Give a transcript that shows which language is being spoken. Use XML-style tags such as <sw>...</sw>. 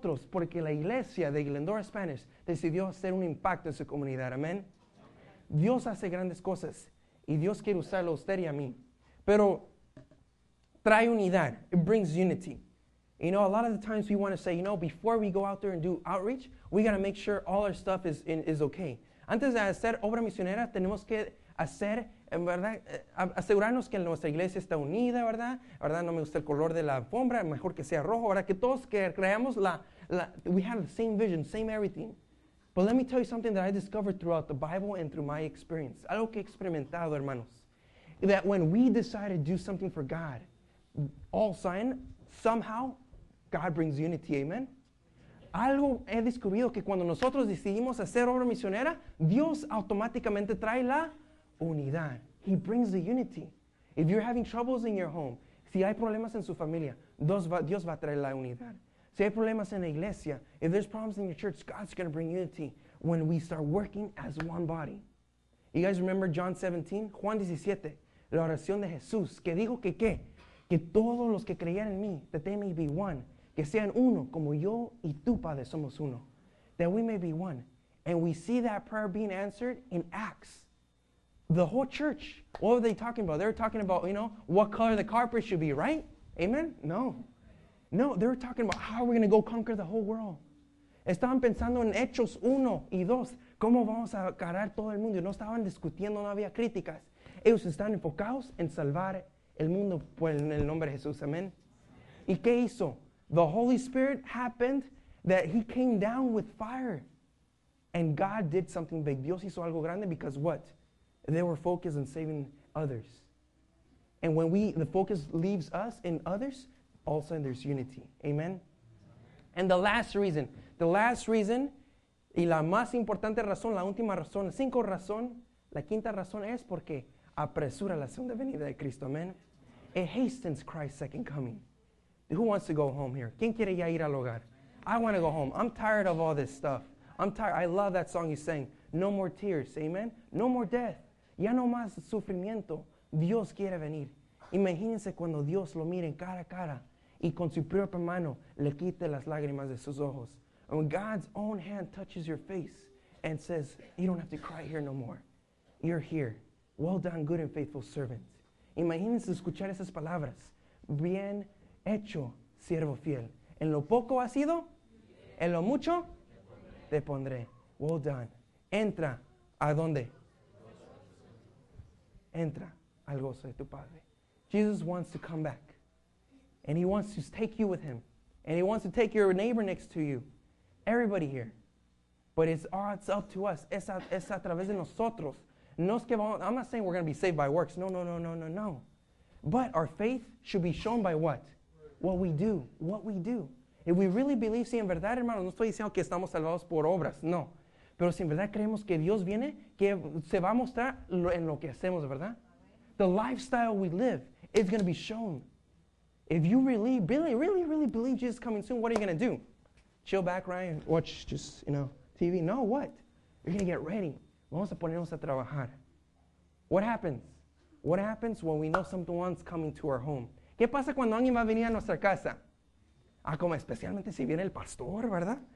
<es>Porque la iglesia de Glendora Spanish decidió hacer un impacto en su comunidad. Amén. Dios hace grandes cosas y Dios quiere usarlo a usted y a mí. Pero trae unidad.</es> <en>It brings unity. You know, a lot of the times we want to say, you know, before we go out there and do outreach, we got to make sure all our stuff is okay.</en> <es>Antes de hacer obra misionera, tenemos que hacer, ¿verdad? Asegurarnos que nuestra iglesia está unida, ¿verdad? ¿Verdad? No me gusta el color de la alfombra, mejor que sea rojo, ¿verdad? Que todos que creamos</es> <en>we have the same vision, same everything. But let me tell you something that I discovered throughout the Bible and through my experience.</en> <es>Algo que he experimentado, hermanos.</es> <en>That when we decide to do something for God, all sign, somehow, God brings unity, amen?</en> <es>Algo he descubierto que cuando nosotros decidimos hacer obra misionera, Dios automáticamente trae la unidad.</es> <en>He brings the unity. If you're having troubles in your home,</en> <es>si hay problemas en su familia, Dios va a traer la unidad. Si hay problemas en la iglesia,</es> <en>if there's problems in your church, God's going to bring unity when we start working as one body. You guys remember John 17?</en> <es>Juan 17, la oración de Jesús, que dijo que qué? Que todos los que creían en mí,</es> <en>that they may be one,</en> <es>que sean uno, como yo y tú, Padre, somos uno.</es> <en>That we may be one. And we see that prayer being answered in Acts. The whole church, what were they talking about? They were talking about, you know, what color the carpet should be, right? Amen? No. No, they were talking about how are we going to go conquer the whole world.</en> <es>Estaban pensando en Hechos 1 y 2. ¿Cómo vamos a agarrar todo el mundo? No estaban discutiendo, no había críticas. Ellos están enfocados en salvar el mundo en el nombre de Jesús. Amen? ¿Y qué hizo?</es> <en>The Holy Spirit happened that he came down with fire. And God did something big.</en> <es>Dios hizo algo grande</es> <en>because what? They were focused on saving others. And when the focus leaves us and others, all of a sudden there's unity.</en> <es>Amen?</es> <en>And the last reason,</en> <es>y la más importante razón, la última razón, cinco razón, la quinta razón es porque apresura la segunda venida de Cristo. Amen?</es> <en>It hastens Christ's second coming. Who wants to go home here?</en> <es>¿Quién quiere ya ir al hogar?</es> <en>I want to go home. I'm tired of all this stuff. I'm tired. I love that song you sang. No more tears. Amen? No more death.</en> <es>Ya no más sufrimiento. Dios quiere venir. Imagínense cuando Dios lo mire cara a cara y con su propia mano le quite las lágrimas de sus ojos.</es> <en>And when God's own hand touches your face and says, you don't have to cry here no more. You're here. Well done, good and faithful servant.</en> <es>Imagínense escuchar esas palabras. Bien hecho, siervo fiel. En lo poco ha sido, en lo mucho, te pondré.</es> <en>Well done.</en> <es>Entra. ¿A dónde? Entra al gozo de tu Padre.</es> <en>Jesus wants to come back. And he wants to take you with him. And he wants to take your neighbor next to you. Everybody here. But it's up to us.</en> <es>Es a través de nosotros. No es que vamos,</es> <en>I'm not saying we're going to be saved by works. No. But our faith should be shown by what? What we do. If we really believe,</en> <es>si en verdad, hermano, no estoy diciendo que estamos salvados por obras. No. Pero si en verdad creemos que Dios viene, que se va a mostrar en lo que hacemos, ¿verdad?</es> <en>The lifestyle we live is going to be shown. If you really believe Jesus is coming soon, what are you going to do? Chill back, Ryan, watch just, you know, TV? No, what? You're going to get ready.</en> <es>Vamos a ponernos a trabajar.</es> <en>What happens? What happens when we know someone's coming to our home?</en> <es>¿Qué pasa cuando alguien va a venir a nuestra casa? Ah, como especialmente si viene el pastor, ¿verdad?</es>